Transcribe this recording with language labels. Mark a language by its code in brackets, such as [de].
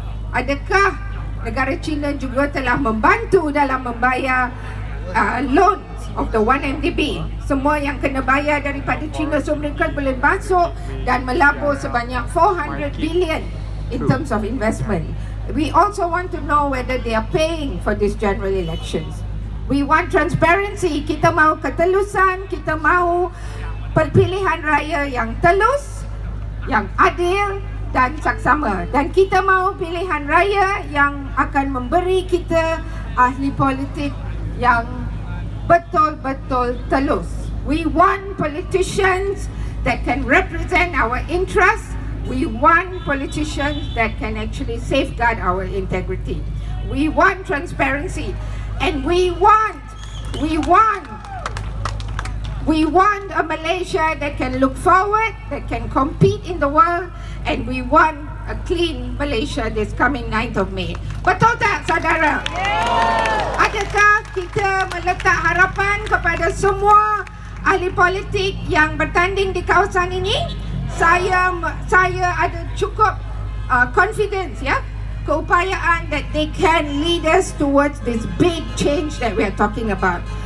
[ms] Adakah negara China juga telah membantu dalam membayar [en] loan of the 1MDB? [ms] Semua yang kena bayar daripada China, so mereka boleh masuk dan melabur sebanyak 400 billion [en] in terms of investment. We also want to know whether they are paying for these general elections. We want transparency. [ms] Kita mahu ketelusan, kita mahu pilihan raya yang telus, yang adil dan saksama. Dan kita mahu pilihan raya yang akan memberi kita ahli politik yang betul-betul telus. [en] We want politicians that can represent our interests. We want politicians that can actually safeguard our integrity. We want transparency. And we want a Malaysia that can look forward, that can compete in the world, and we want a clean Malaysia this coming 9th of May. [ms] Betul tak, saudara? [en] Yeah. [ms] Adakah kita meletak harapan kepada semua ahli politik yang bertanding di kawasan ini? Saya ada cukup confidence, ya, keupayaan [en] that they can lead us towards this big change that we are talking about.